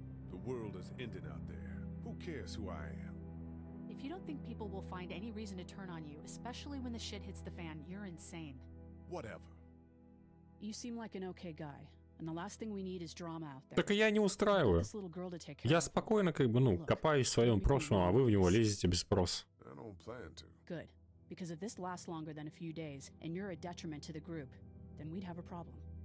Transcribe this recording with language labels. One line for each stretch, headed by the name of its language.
English: The world has ended out there. Who cares who I am? If you don't think people will find any reason to turn on you, especially when the shit hits the fan, you're insane. Whatever. You seem like an okay guy, and the last thing we need is drama out there.
Russian: Так я не устраиваю. Я спокойно как бы, ну, копаюсь в своем прошлом, а вы в него лезете без спроса.
English: I don't plan to. Good. Because if this lasts longer than a few days, and you're a detriment to the group, then we'd have a problem.